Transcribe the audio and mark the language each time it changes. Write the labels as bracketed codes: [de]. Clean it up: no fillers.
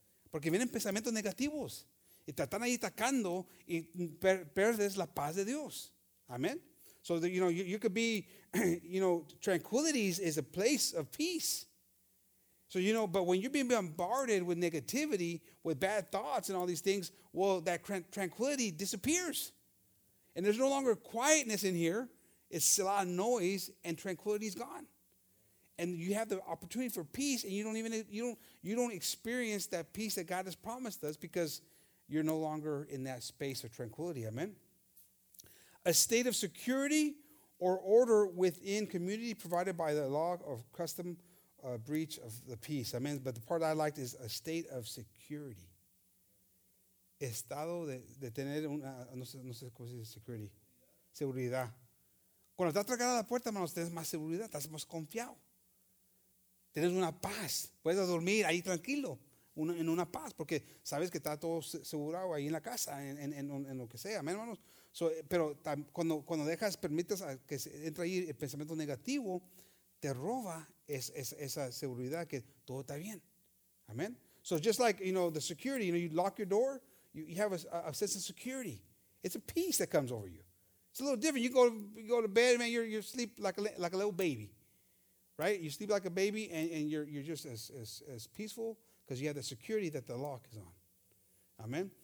[es] Porque vienen pensamientos negativos y te están ahí atacando y pierdes la paz de Dios. Amén. [en] So, you know, you could be, you know, tranquility is a place of peace. So, you know, but when you're being bombarded with negativity, with bad thoughts and all these things, well, that tranquility disappears. And there's no longer quietness in here. It's a lot of noise, and tranquility is gone. And you have the opportunity for peace, and you don't experience that peace that God has promised us because you're no longer in that space of tranquility. Amen. A state of security or order within community provided by the law of custom, breach of the peace. Amen. But the part I liked is a state of security. [es] Estado de tener una, no sé cómo se dice, [en] security. [es] Seguridad. Cuando estás trancada la puerta, hermanos, tienes más seguridad, estás más confiado. Tienes una paz. Puedes dormir ahí tranquilo, en una paz, porque sabes que está todo asegurado ahí en la casa, en lo que sea. Amén, hermanos. [en] So, [es] pero cuando dejas, permites que entre ahí el pensamiento negativo, te roba esa seguridad que todo está bien. Amén. [en] So just like, you know, the security, you know, you lock your door. You have a sense of security. It's a peace that comes over you. It's a little different. You go to bed, man. You sleep like a little baby, right? You sleep like a baby, and you're just as peaceful because you have the security that the lock is on. Amen.